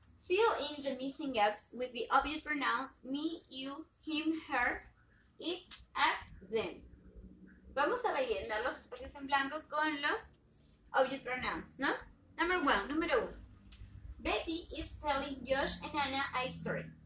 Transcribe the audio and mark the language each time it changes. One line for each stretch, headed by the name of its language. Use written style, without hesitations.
English: Fill in the missing gaps with the object pronouns me, you, him, her, it, us, them.
Spanish: Vamos a rellenar los espacios en blanco con los object pronouns, ¿no? Número uno.
English: Betty is telling Josh and Anna a story.